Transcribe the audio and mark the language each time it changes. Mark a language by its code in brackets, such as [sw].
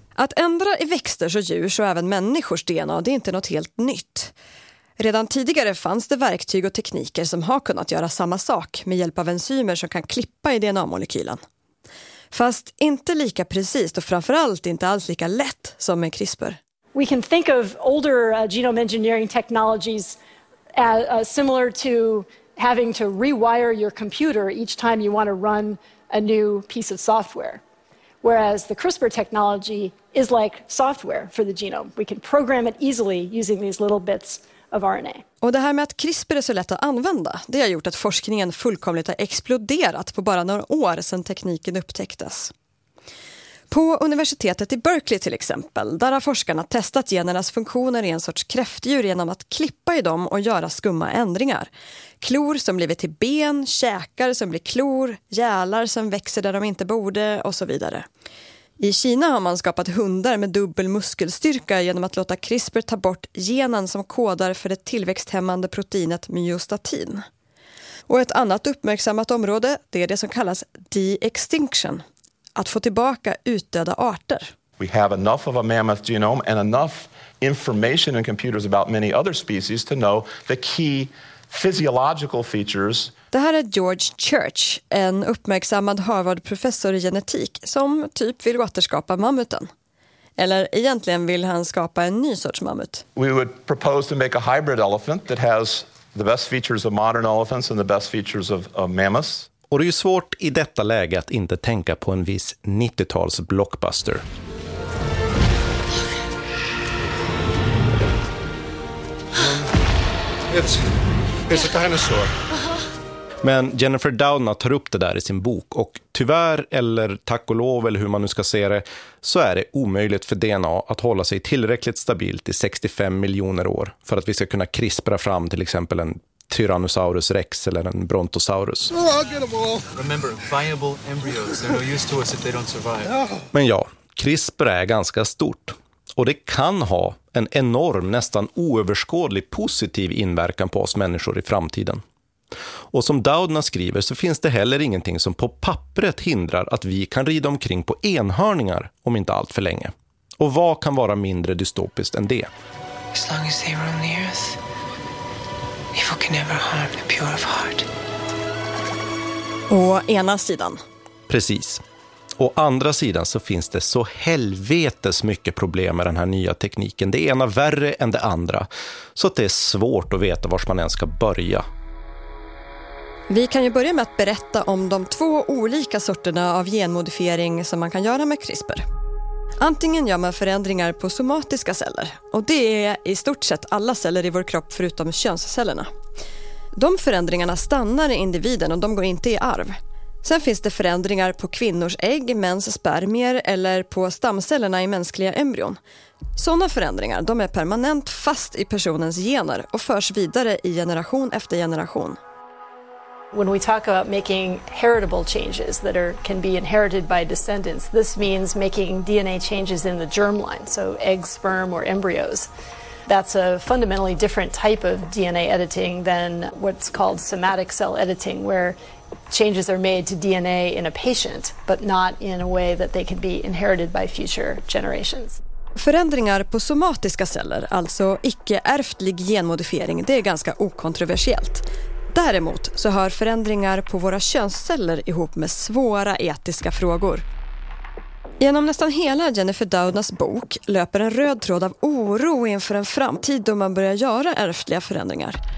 [sv] Att ändra i växters och djurs och även människors DNA, det är inte något helt nytt. Redan tidigare fanns det verktyg och tekniker som har kunnat göra samma sak med hjälp av enzymer som kan klippa i DNA-molekylen. Fast inte lika precis och framförallt inte alls lika lätt som med CRISPR. [en] We can think of older genome engineering technologies similar to having to rewire your computer each time you want to run a new piece of software. Whereas the CRISPR technology is like software for the genome. We can program it easily using these little bits of RNA. [sv] Och det här med att CRISPR är så lätt att använda, det har gjort att forskningen fullkomligt har exploderat på bara några år sedan tekniken upptäcktes. På universitetet i Berkeley till exempel, där har forskarna testat genernas funktioner i en sorts kräftdjur genom att klippa i dem och göra skumma ändringar. Klor som blir till ben, käkar som blir klor, gälar som växer där de inte borde och så vidare. I Kina har man skapat hundar med dubbel muskelstyrka genom att låta CRISPR ta bort genen som kodar för det tillväxthämmande proteinet myostatin. Och ett annat uppmärksammat område, det är det som kallas de-extinction. Att få tillbaka utdöda arter. [en] We have enough of a mammoth genome and enough information in computers about many other species to know the key physiological features. [sv] Det här är George Church, en uppmärksammad Harvard-professor i genetik som typ vill återskapa mammuten. Eller egentligen vill han skapa en ny sorts mammut. [en] We would propose to make a hybrid elephant that has the best features of modern elephants and the best features of mammoths. [sv] Och det är ju svårt i detta läge att inte tänka på en viss 90-tals blockbuster. [en] It's a dinosaur. [sv] Men Jennifer Doudna tar upp det där i sin bok och tyvärr, eller tack och lov, eller hur man nu ska se det, så är det omöjligt för DNA att hålla sig tillräckligt stabilt i 65 miljoner år för att vi ska kunna CRISPRa fram till exempel en Tyrannosaurus rex eller en Brontosaurus. [en] Remember, viable embryos, they're no use to us if they don't survive. [sv] Men ja, CRISPR är ganska stort. Och det kan ha en enorm, nästan oöverskådlig positiv inverkan på oss människor i framtiden. Och som Doudna skriver så finns det heller ingenting som på pappret hindrar att vi kan rida omkring på enhörningar om inte allt för länge. Och vad kan vara mindre dystopiskt än det? [en] As long as they roam the earth. Evil can never harm the pure of heart. [sv] Å ena sidan. Precis. Å andra sidan så finns det så helvetes mycket problem med den här nya tekniken. Det ena värre än det andra. Så att det är svårt att veta vart man ens ska börja. Vi kan ju börja med att berätta om de två olika sorterna av genmodifiering som man kan göra med CRISPR. Antingen gör man förändringar på somatiska celler, och det är i stort sett alla celler i vår kropp förutom könscellerna. De förändringarna stannar i individen och de går inte i arv. Sen finns det förändringar på kvinnors ägg, mäns spermier eller på stamcellerna i mänskliga embryon. Sådana förändringar, de är permanent fast i personens gener och förs vidare i generation efter generation. [en] When we talk about making heritable changes that are can be inherited by descendants, this means making DNA changes in the germline, so eggs, sperm, or embryos. That's a fundamentally different type of DNA editing than what's called somatic cell editing, where changes are made to DNA in a patient, but not in a way that they can be inherited by future generations. [sv] Förändringar på somatiska celler, alltså icke-ärftlig genmodifiering, det är ganska okontroversiellt. Däremot så hör förändringar på våra könsceller ihop med svåra etiska frågor. Genom nästan hela Jennifer Doudnas bok löper en röd tråd av oro inför en framtid då man börjar göra ärftliga förändringar.